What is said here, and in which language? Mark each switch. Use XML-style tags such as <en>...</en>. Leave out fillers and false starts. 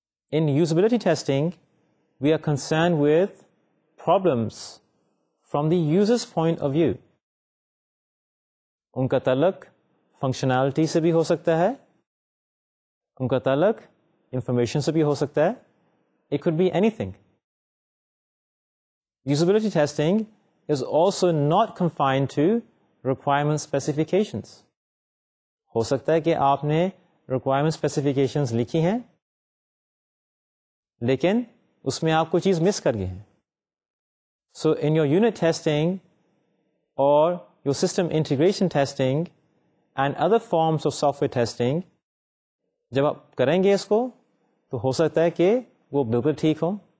<en>In usability testing we are concern with problems from the users point of view.</en> <ur>ان کا تعلق functionality سے بھی ہو سکتا ہے, ان کا تعلق information سے بھی ہو سکتا ہے,</ur> <en>it could be anything. Usability testing is also not confined to requirement specifications.</en> <ur>ہو سکتا ہے کہ آپ نے requirement specifications لکھی ہیں لیکن اس میں آپ کو چیز مس کر گئے ہیں.</ur> <en>So in your unit testing or your system integration testing and other forms of software testing,</en> <ur>جب آپ کریں گے اس کو تو ہو سکتا ہے کہ وہ بالکل ٹھیک ہو.</ur>